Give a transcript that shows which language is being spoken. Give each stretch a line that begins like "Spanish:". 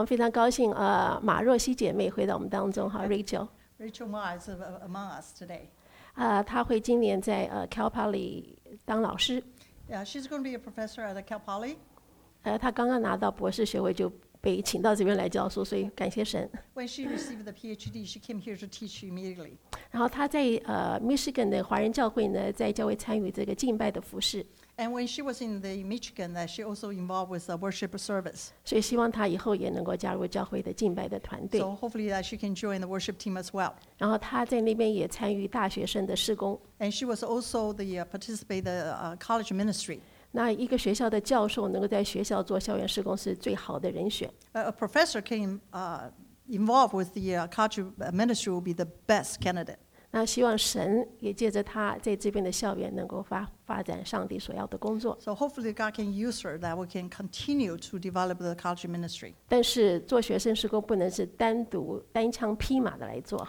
Chinese: 我非常高兴马若曦姐妹回到我们当中哈 Rachel
English: Rachel Ma is among us today
Chinese: 她会今年在Cal Poly 当老师
English: Yeah, she's going to be a professor at Cal Poly
Chinese: 她刚刚拿到博士学位就被请到这边来教书所以感谢神
English: When she received the PhD she came here to teach immediately
Chinese: 然后她在Michigan 的华人教会呢在教会参与这个敬拜的服事
English: And when she was in the Michigan, that she also involved with a worship service.
Chinese: 所以希望她以后也能够加入教会的敬拜的团队。
English: So hopefully that she can join the worship team as well.
Chinese: 然后她在那边也参与大学生的事工。
English: And she was also the participate the college ministry.
Chinese: 那一个学校的教授能够在学校做校园事工是最好的人选。
English: A professor can involved with the college ministry will be the best candidate.
Chinese: 那希望神也借着他在这边的校园能够 发展上帝所要的工作
English: So hopefully God can use her that we can continue to develop the college ministry
Chinese: 但是做学生事工不能是单独单枪匹马的来做